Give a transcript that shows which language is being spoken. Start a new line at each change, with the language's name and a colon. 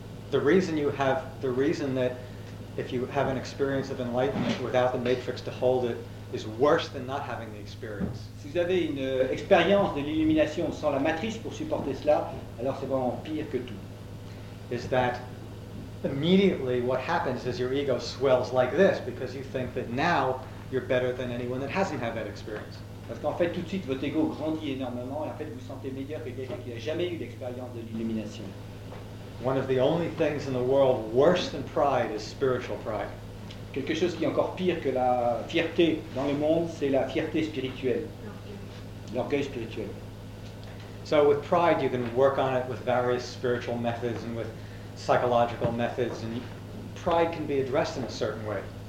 English: the reason that if you have an experience of enlightenment without the matrix to hold it is worse than not having the experience.
French: Si vous avez une expérience de l'illumination sans la matrice pour supporter cela, alors c'est vraiment pire que tout.
English: Is that immediately what happens is your ego swells like this because you think that now you're better than anyone that hasn't had that experience.
French: Parce qu'en fait tout de suite votre ego grandit énormément et en fait vous sentez meilleur que quelqu'un qui n'a jamais eu l'expérience de l'illumination.
English: One of the only things in the world worse than pride is spiritual pride.
French: Quelque chose qui est encore pire que la fierté dans le monde, c'est la fierté spirituelle, l'orgueil spirituel.
English: So with pride you can work on it with various spiritual methods and with psychological methods, and pride can be addressed in a certain way.